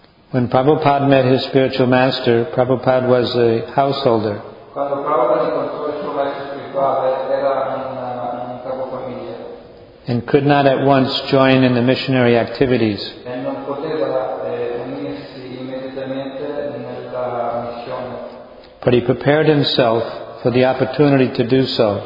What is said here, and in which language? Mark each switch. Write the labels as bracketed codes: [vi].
[en] When Prabhupada met his spiritual master, Prabhupada was a householder. [it] Quando Prabhupada incontrò il suo maestro spirituale, era un capofamiglia. [en] And could not at once join in the missionary activities. [it] E non poteva unirsi immediatamente nella missione. [en] But he prepared himself for the opportunity to do so.